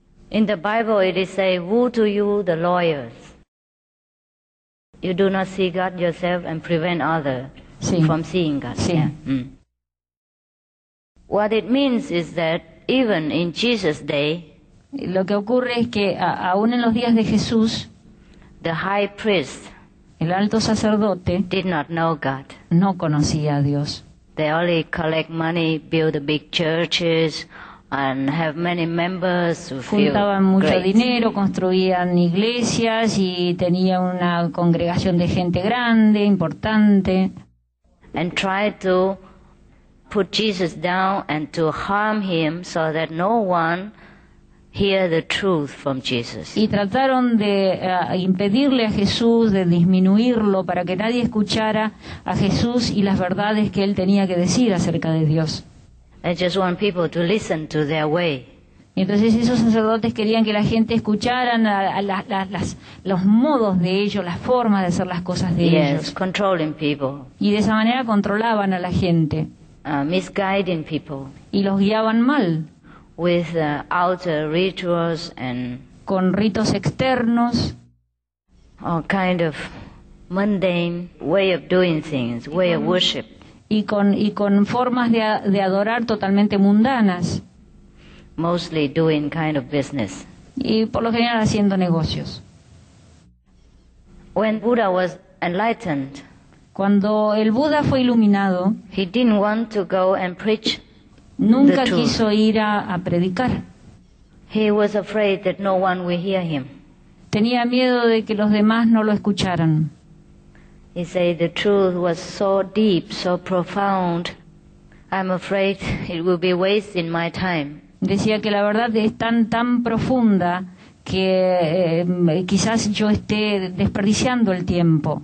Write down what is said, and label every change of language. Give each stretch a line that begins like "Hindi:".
English: In the Bible, it is said, woe to you, the lawyers. You do not see God yourself and prevent others from seeing God. Sí. Yeah. Mm. What it means is that even in Jesus' day,
Spanish: lo que ocurre es que aún en los días de Jesús,
English: the high priest,
Spanish: el alto sacerdote,
English: did not know God.
Spanish: No conocía a Dios.
English: They only collect money, build the big churches, and have many members who feel great.
Spanish: Juntaban mucho dinero, construían iglesias y tenía una congregación de gente grande, importante.
English: And tried to put Jesus down and to harm him so that no one hear the truth from Jesus.
Spanish: Y trataron de impedirle a Jesús, de disminuirlo para que nadie escuchara a Jesús y las verdades que él tenía que decir acerca de Dios.
English: I just want people to listen to their way.
Spanish: Entonces esos sacerdotes querían que la gente escucharan los modos de ellos, las formas de hacer las cosas de ellos.
English: Yes, controlling people.
Spanish: Y de esa manera controlaban a la gente.
English: Misguiding people.
Spanish: Y los guiaban mal.
English: With outer rituals and
Spanish: con ritos externos.
English: All kind of mundane way of doing things, way of worship.
Spanish: Y con formas de adorar totalmente mundanas.
English: Mostly doing kind of business.
Spanish: Y por lo general haciendo negocios.
English: When Buddha was enlightened,
Spanish: cuando el Buda fue iluminado,
English: he didn't want to go and preach.
Spanish: Nunca quiso ir a predicar.
English: He was afraid that no one would hear him.
Spanish: Tenía miedo de que los demás no lo escucharan.
English: He said the truth was so deep, so profound. I'm afraid it will be wasting my time.
Spanish: Decía que la verdad es tan profunda que quizás yo esté desperdiciando el tiempo.